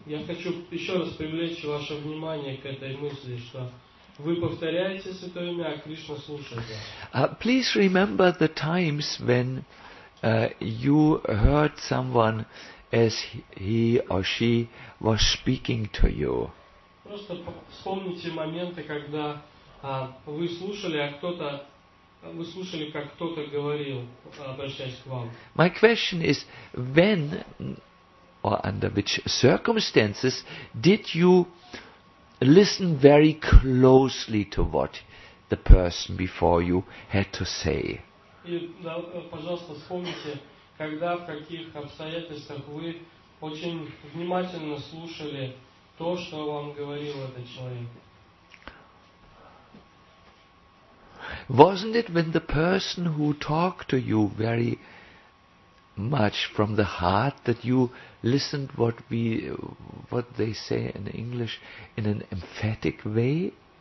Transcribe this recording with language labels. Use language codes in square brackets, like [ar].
[ru] Я хочу еще раз привлечь ваше внимание к этой мысли, что вы повторяете святое имя, а Кришна слушает. [en] Please remember the times when you heard someone as he or she was speaking to you. [ru] Просто вспомните моменты, когда вы слушали, а кто-то вы слушали, как кто-то говорил, обращаясь к вам. [en] My question is, when or under which circumstances did you listen very closely to what the person before you had to say? [ru] И, да, пожалуйста, вспомните, когда, в каких обстоятельствах вы очень внимательно слушали то, что вам говорил этот человек. [en] Wasn't it when the person who talked to you very much from the heart that you listened what they say in English in an emphatic way?